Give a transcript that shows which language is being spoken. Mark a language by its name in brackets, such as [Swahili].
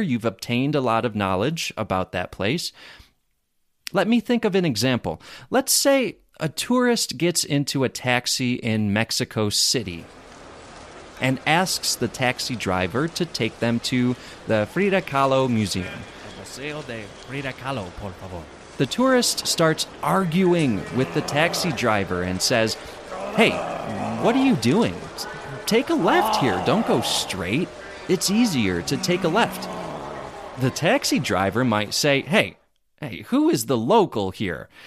[English] You've obtained a lot of knowledge about that place. Let me think of an example. Let's say a tourist gets into a taxi in Mexico City and asks the taxi driver to take them to the Frida Kahlo Museum. [Spanish] El Museo de Frida Kahlo, por favor. [English] The tourist starts arguing with the taxi driver and says, "Hey, what are you doing? Take a left here. Don't go straight. It's easier to take a left." The taxi driver might say, Hey, who is the local here?